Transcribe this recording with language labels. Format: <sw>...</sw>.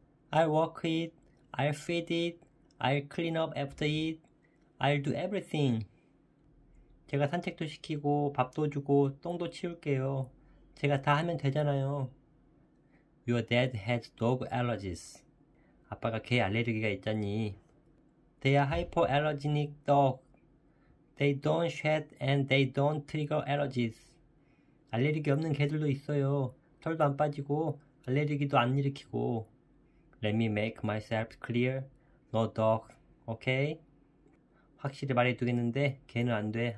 <en>I'll walk it, I'll feed it, I'll clean up after it, I'll do everything.</en> <ko>제가 산책도 시키고 밥도 주고 똥도 치울게요.</ko> <en>제가 다 하면 되잖아요. Your dad has dog allergies.</en> <ko>아빠가 개 알레르기가 있잖니.</ko> <en>They are hypoallergenic dogs. They don't shed and they don't trigger allergies.</en> <ko>알레르기 없는 개들도 있어요. 털도 안 빠지고 알레르기도 안 일으키고.</ko> <en>Let me make myself clear. No dog, okay?</en> <ko>확실히 말해두겠는데 개는 안 돼.</ko>